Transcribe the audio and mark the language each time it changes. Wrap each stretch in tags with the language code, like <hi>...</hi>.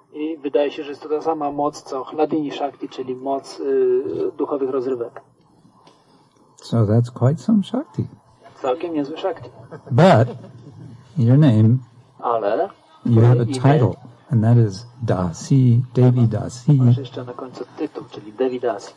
<pl>I wydaje się, że jest to ta sama moc co Hladini Shakti, czyli moc duchowych rozrywek.</pl> <en>So that's quite some Shakti.</en> <pl>Całkiem niezły Shakti.</pl> <en>But your name.</en> <pl>Ale.</pl> <en>You have a title, and that is Dasi, Devi Dasi.</en> <pl>Masz jeszcze na końcu tytuł, czyli Devi Dasi.</pl>